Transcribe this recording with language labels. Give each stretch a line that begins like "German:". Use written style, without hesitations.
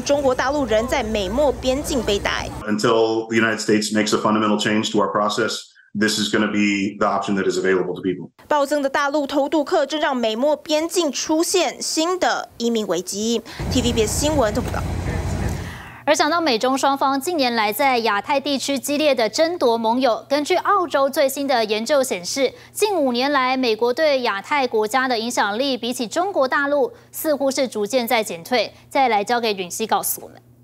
Chinese: 尤其疫情爆发后，美国签证更难取得，加上经济打击，想逃到海外。从去年10月6个月以来，超过6500名中国大陆人在美墨边境被逮。
English: Until the United States makes a fundamental change to our process, this is going to be the option that is available to people.
Chinese: 暴增的大陆偷渡客正让美墨边境出现新的移民危机。TVBS 新闻报道。而想到美中双方近年来在亚太地区激烈的争夺盟友，根据澳洲最新的研究显示，近5年来美国对亚太国家的影响力比起中国大陆似乎是逐渐在减退。再来交给允熙告诉我们。